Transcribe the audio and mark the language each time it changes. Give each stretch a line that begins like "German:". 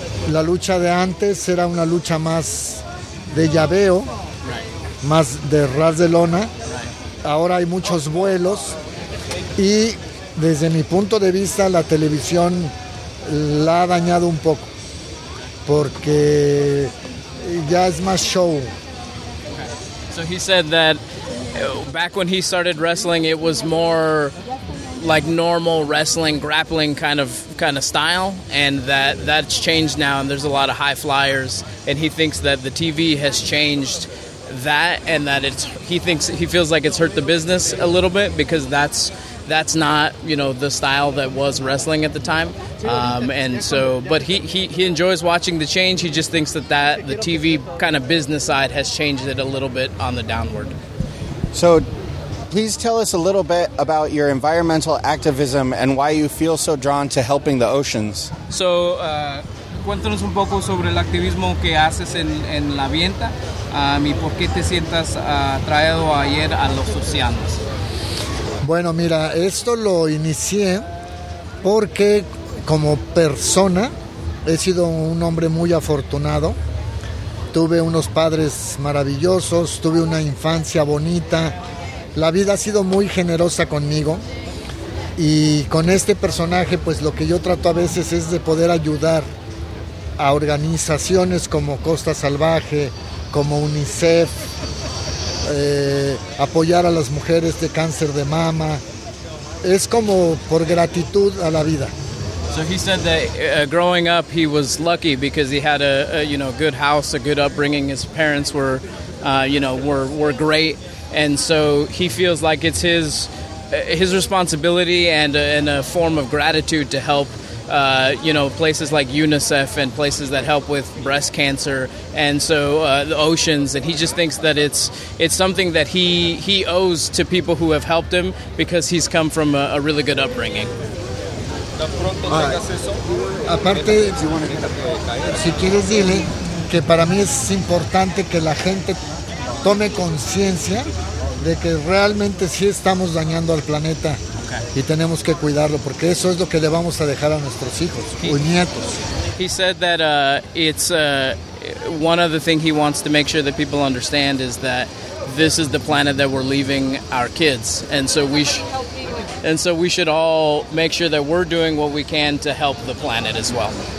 Spanish: La lucha de antes era una lucha más de llaveo, más de ras de lona. Ahora hay muchos vuelos. Y desde mi punto de vista, la televisión la ha dañado un poco, porque ya es más show.
English: So he said that back when he started wrestling, it was more like normal wrestling, grappling kind of style, and that's changed now, and there's a lot of high flyers, and he thinks that the TV has changed that, and that he feels like it's hurt the business a little bit, because that's not, you know, the style that was wrestling at the time. But he enjoys watching the change. He just thinks that the TV kind of business side has changed it a little bit on the downward. So please tell us a little bit about your environmental activism and why you feel so drawn to helping the oceans.
Spanish: So cuéntanos un poco sobre el activismo que haces en la vienta y por qué te sientas atraído ayer a los océanos. Bueno, mira, esto lo inicié porque como persona he sido un hombre muy afortunado. Tuve unos padres maravillosos, tuve una infancia bonita. La vida ha sido muy generosa conmigo. Y con este personaje, pues lo que yo trato a veces es de poder ayudar a organizaciones como Costa Salvaje, como UNICEF. Apoyar a las mujeres de cáncer de mama es como por gratitud a la vida.
English: So he said that growing up he was lucky because he had a good house, a good upbringing. His parents were great, and so he feels like it's his responsibility and a form of gratitude to help places like UNICEF and places that help with breast cancer, and so the oceans, and he just thinks that it's something that he owes to people who have helped him because he's come from a really good upbringing.
Spanish: Aparte, si quieres dile que para mí es importante que la gente tome conciencia de que realmente sí estamos dañando al planeta. Y tenemos que cuidarlo porque eso es lo que le vamos a dejar a nuestros hijos o nietos.
English: He said that it's one other thing he wants to make sure that people understand is that this is the planet that we're leaving our kids, and so we should all make sure that we're doing what we can to help the planet as well.